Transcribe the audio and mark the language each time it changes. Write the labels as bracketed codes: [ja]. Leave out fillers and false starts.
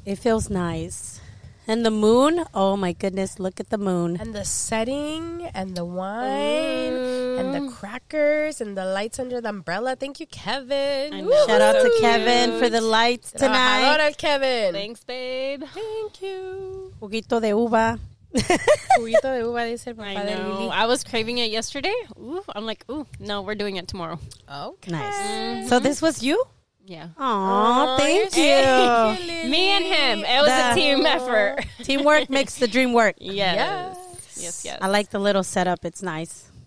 [en] It feels nice. And the moon, oh my goodness, look at the moon. And the setting and the wine and the crackers and the lights under the umbrella. Thank you, Kevin. Shout out to Kevin for the lights tonight. Shout out to Kevin. Thanks, babe. Thank you. [es] Juguito de uva. Juguito de uva, dice el papá de Lili. [en] I was craving it yesterday. Ooh, I'm like, ooh, no, we're doing it tomorrow. Okay. Nice. Mm-hmm. So this was you? Yeah. Aw, thank you. Me and him. It was a team effort. Teamwork makes the dream work. Yes. Yes. Yes, yes. I like the little setup. It's nice.